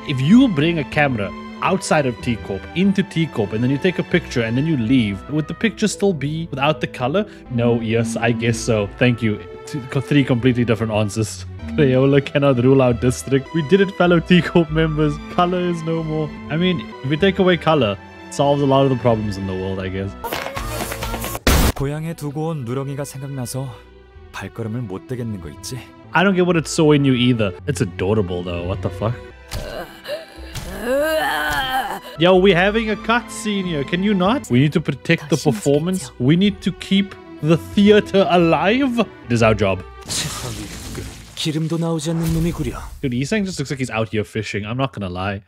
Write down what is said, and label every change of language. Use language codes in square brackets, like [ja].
[en] If you bring a camera outside of T-Corp, into T-Corp, and then you take a picture and then you leave, would the picture still be without the color? No, yes, I guess so. Thank you. Three completely different answers. Crayola cannot rule out district. We did it, fellow T-Corp members. Color is no more. I mean, if we take away color, it solves a lot of the problems in the world, I guess. [ko] 고향에 두고 온 누렁이가 생각나서 발걸음을 못 되겠는 거 있지? [en] I don't get what it saw in you either. It's adorable though, what the fuck? Yo, we're having a cutscene here, can you not? We need to protect the performance. We need to keep the theater alive. It is our job. Dude, Yisang just looks like he's out here fishing, I'm not gonna lie.